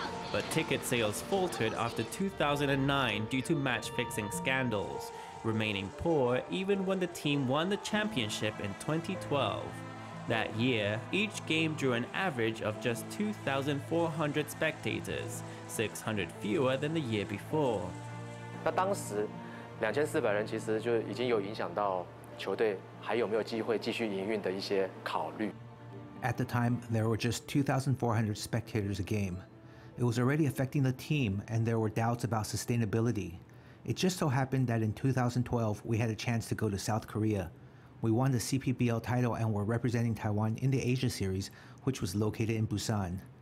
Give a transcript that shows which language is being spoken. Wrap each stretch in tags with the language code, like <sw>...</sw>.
<en>But ticket sales faltered after 2009 due to match-fixing scandals, remaining poor even when the team won the championship in 2012. That year, each game drew an average of just 2,400 spectators, 600 fewer than the year before.</en> <zh>那当时, 2,400人其实就已经有影响到球队还有没有机会继续营运的一些考虑。</zh> <en>At the time, there were just 2,400 spectators a game. It was already affecting the team, and there were doubts about sustainability. It just so happened that in 2012, we had a chance to go to South Korea. We won the CPBL title and were representing Taiwan in the Asia Series, which was located in Busan.</en>